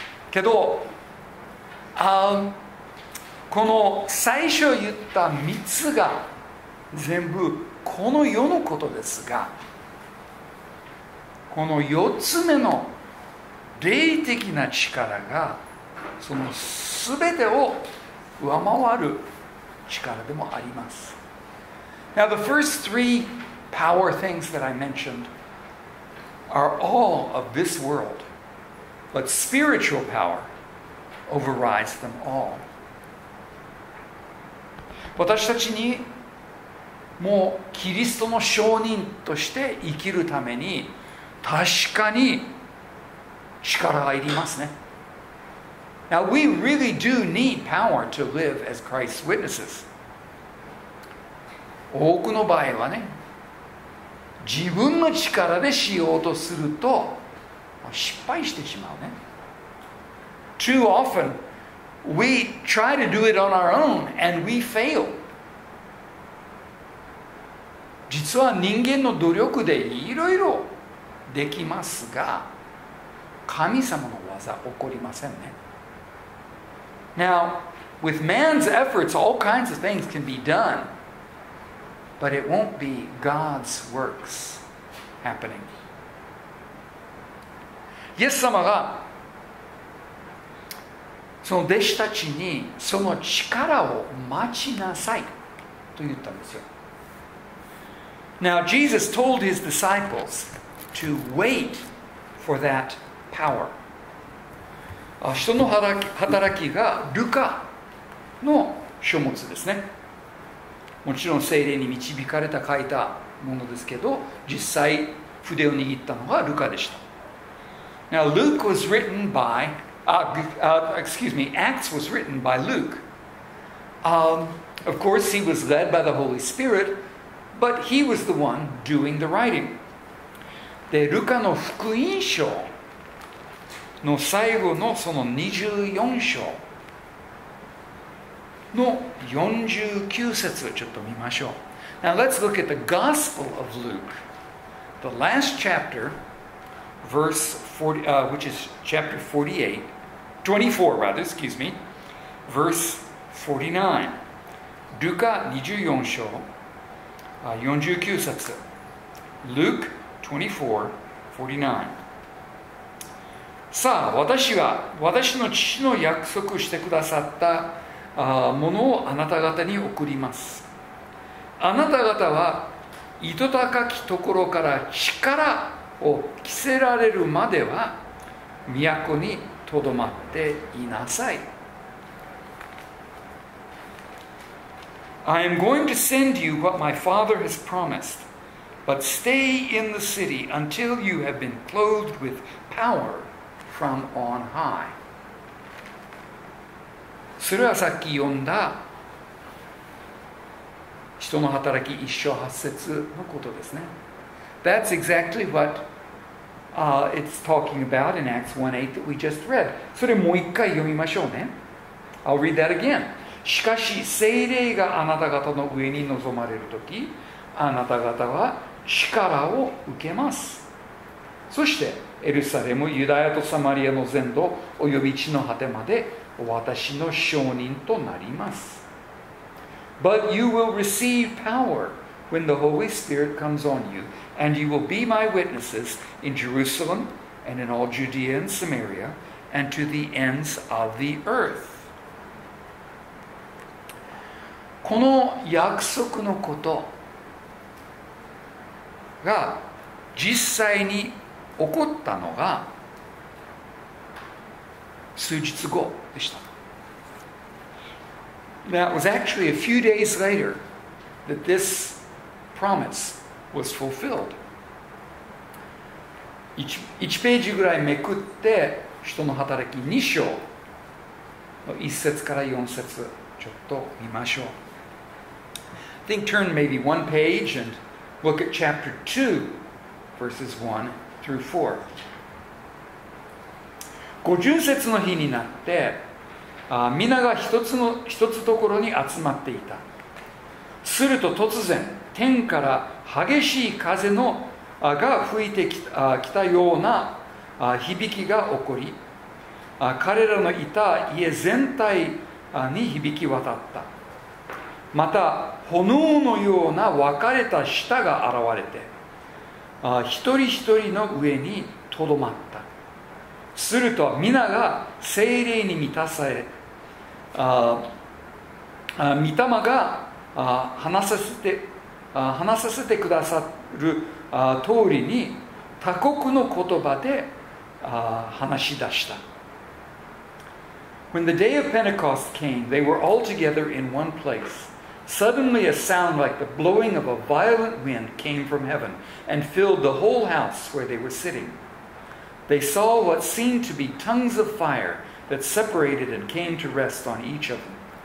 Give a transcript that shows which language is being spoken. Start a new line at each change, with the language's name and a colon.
Japanese: けど、この最初言った3つが全部この世のことですが、この4つ目の霊的な力がその全てを上回る力でもあります。
English: Now the first three power things that I mentioned are all of this world, but spiritual power overrides them all.
Japanese: 私たちにもうキリストの証人として生きるために確かに力がいりますね。
English: Now we really do need power to live as Christ's witnesses.
Japanese: 多くの場合はね、自分の力でしようとすると失敗してしまうね。
English: Too often, we try to do it on our own and we fail.
Japanese: 実は人間の努力でいろいろできますが、神様の技起こりませんね。
English: Now, with man's efforts, all kinds of things can be done. But it won't be God's works happening.
Japanese: イエス様がその弟子たちにその力を待ちなさいと言ったんですよ。
English: Now, Jesus told his disciples to wait for that power.
Japanese: 人の働きがルカの書物ですね。もちろん聖霊に導かれた書いたものですけど、実際筆を握ったのはルカでした。
English: Now Luke was written by, excuse me, Acts was written by Luke. Of course he was led by the Holy Spirit, but he was the one doing the writing.
Japanese: で、ルカの福音書の最後のその24章の49節をちょっと見ましょう。
English: Now let's look at the Gospel of Luke, the last chapter, verse 40, which is chapter 24, rather, excuse me, verse 49.
Japanese: Luke 24 章、49節。
English: Luke 24, 49.
Japanese: さあ私は私の父の約束してくださったものをあなた方に送ります。あなた方は糸高きところから力を着せられるまでは都にとどまっていなさい。
English: I am going to send you what my father has promised, but stay in the city until you have been clothed with power from on high.
Japanese: それはさっき読んだ人の働き一章八節のことですね。
English: That's exactly whatit's talking about in Acts 1:8 that we just read.
Japanese: それもう一回読みましょうね。
English: I'll read that again.
Japanese: しかし聖霊があなた方の上に臨まれるとき、あなた方は力を受けます。そしてエルサレム、ユダヤとサマリアの全土、および地の果てまで私の証人となります。
English: But you will receive power when the Holy Spirit comes on you. And you will be my witnesses in Jerusalem and in all Judea and Samaria and to the ends of the earth.
Japanese: この約束のことが実際に起こったのが数日後でした。
English: That was actually a few days later that this promise was fulfilled.
Japanese: 1ページぐらいめくって人の働き2章の1節から4節ちょっと見ましょう。
English: I think turn maybe one page and look at chapter 2 verses 1 through 4.
Japanese: 50節の日になって皆が一つところに集まっていた。すると突然天から激しい風のが吹いてきたような響きが起こり、彼らのいた家全体に響き渡った。また炎のような分かれた舌が現れて、一人一人の上にとどまった。すると皆が聖霊に満たされ、御霊が話させてくださる通りに他国の言葉で話し出した。
English: When the day of Pentecost came, they were all together in one place. Suddenly a sound like the blowing of a violent wind came from heaven and filled the whole house where they were sitting. They saw what seemed to be tongues of fire that separated and came to rest on each of them.